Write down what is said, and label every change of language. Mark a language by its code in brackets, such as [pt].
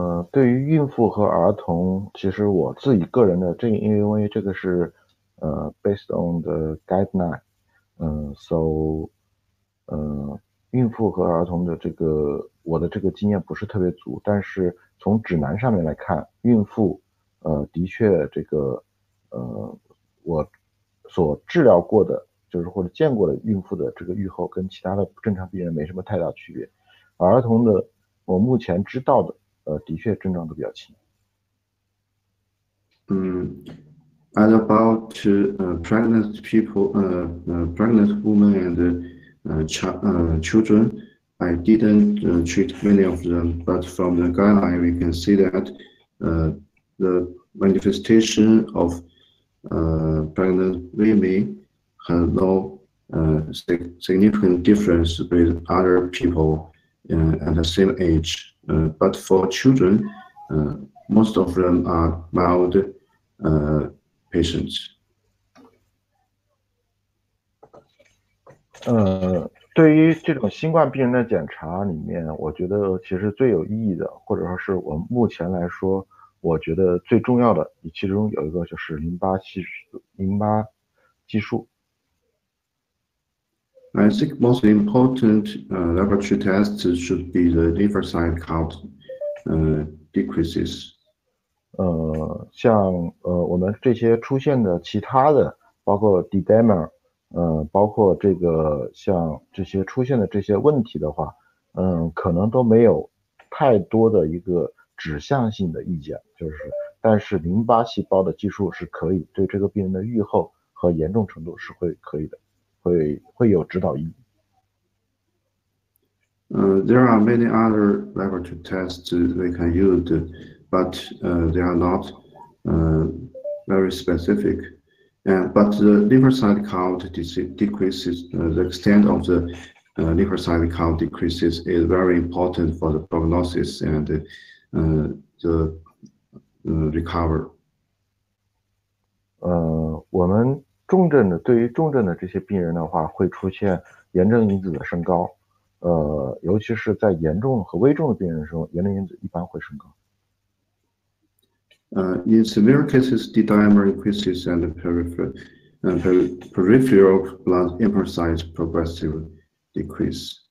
[zh] 对于孕妇和儿童，其实我自己个人的这，因为这个是 [en] based on the guideline， so [zh] 孕妇和儿童的这个我的这个经验不是特别足，但是从指南上面来看，孕妇的确这个我所治疗过的，就是或者见过的孕妇的这个预后跟其他的正常病人没什么太大区别，儿童的我目前知道的。的确症状都比较轻。 [en] And about pregnant people, pregnant women and children, I didn't treat many of them, but from the guideline we can see that the manifestation of pregnant women has no significant difference with other people at the same age. But for children, most of them are mild patients. [zh] 对于这种新冠病人的检查里面，我觉得其实最有意义的，或者说是我目前来说，我觉得最重要的，其中有一个就是淋巴系数。 [en] I think most important laboratory tests should be the lymphocyte count decreases. [zh] 像我们这些出现的其他的，包括 D-dimer， 包括这个像这些出现的这些问题的话，可能都没有太多的一个指向性的意见，就是，但是淋巴细胞的计数是可以对这个病人的预后和严重程度是会可以的。会有指导意义。 [en] There are many other laboratory tests we can use, but they are not very specific. But the lymphocyte count decreases, the extent of the lymphocyte count decreases is very important for the prognosis and the recover. [zh] 我们重症的，对于重症的这些病人的话，会出现炎症因子的升高，尤其是在严重和危重的病人中，炎症因子一般会升高。 [en] In severe cases, D-dimer increases and peripheral blood lymphocyte progressively decrease.